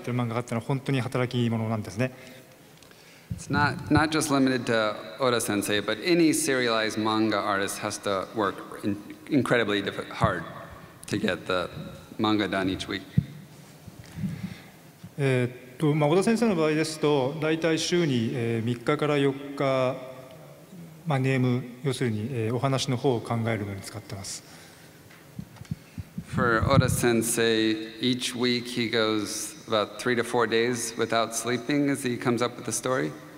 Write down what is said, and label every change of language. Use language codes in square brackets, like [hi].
[ja] 小田先生、まあ小田先生だけじゃないですけども、週刊連載やってる漫画があったのは本当に働き者なんですね。 [en] It's not just limited to Oda-sensei, but any serialized manga artist has to work incredibly hard to get the manga done each week. [ja] まあ小田先生の場合ですと、だいたい週に3日から4日、ネーム、要するにお話の方を考えるのに使ってます。 [en] For Oda-sensei, each week he goes about 3 to 4 days without sleeping as he comes up with the story.